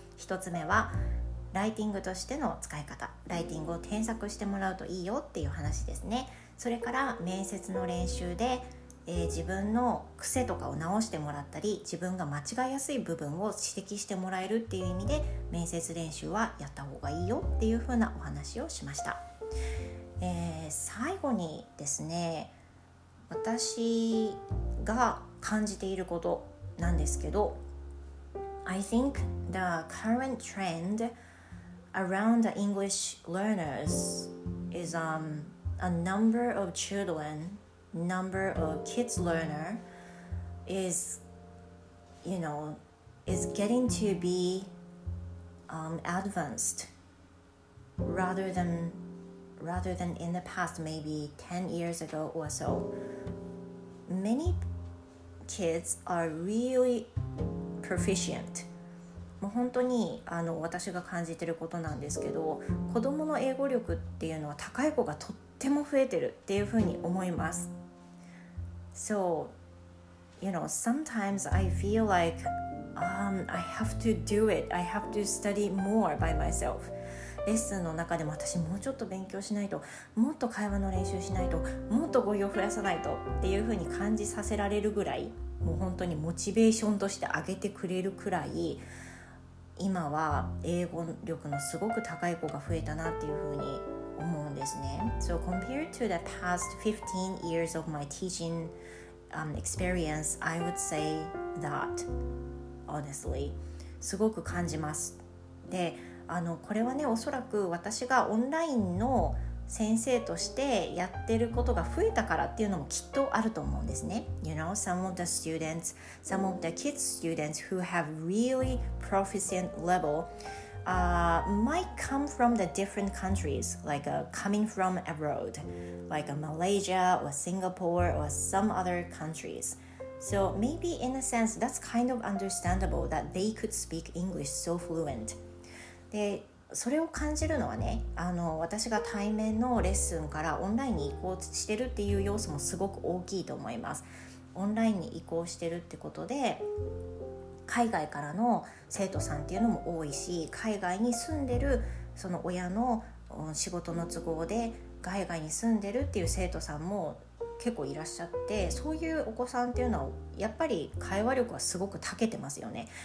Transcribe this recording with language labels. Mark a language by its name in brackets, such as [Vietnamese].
[Japanese] 1つ目は、ライティングとしての使い方、ライティングを添削してもらうといいよっていう話ですね。それから面接の練習で、自分の癖とかを直してもらったり、自分が間違いやすい部分を指摘してもらえるっていう意味で面接練習はやった方がいいよっていう風なお話をしました。最後にですね、私が感じていることなんですけど、 [English] I think the current trend around the English learners is a number of children, number of kids learner is, you know, is getting to be advanced rather than in the past, maybe 10 years ago or so. Many kids are really proficient. [Japanese] もう本当に私が感じてることなんですけど、子どもの英語力っていうのは高い子がとっても増えてるっていうふうに思います。 [English] So, you know, sometimes I feel like, I have to do it. I have to study more by myself. [Japanese] レッスンの中でも私もうちょっと勉強しないと、もっと会話の練習しないと、もっと語彙を増やさないとっていう風に感じさせられるぐらい、もう本当にモチベーションとして上げてくれるくらい、今は英語力のすごく高い子が増えたなっていう風に思うんですね。 [English] So compared to the past 15 years of my teaching experience, I would say that honestly [Japanese] すごく感じます。でこれはね、おそらく私がオンラインの先生としてやってることが増えたからっていうのもきっとあると思うんですね。 [English] You know, some of the students, some of the kids students who have really proficient level might come from the different countries, like coming from abroad, like Malaysia or Singapore or some other countries. So maybe in a sense, that's kind of understandable that they could speak English so fluent. [Japanese] で、それを感じるのはね、私が対面のレッスンからオンラインに移行してるっていう要素もすごく大きいと思います。オンラインに移行してるってことで、海外からの生徒さんっていうのも多いし、海外に住んでるその親の仕事の都合で海外に住んでるっていう生徒さんも結構いらっしゃって、そういうお子さんっていうのはやっぱり会話力はすごく長けてますよね。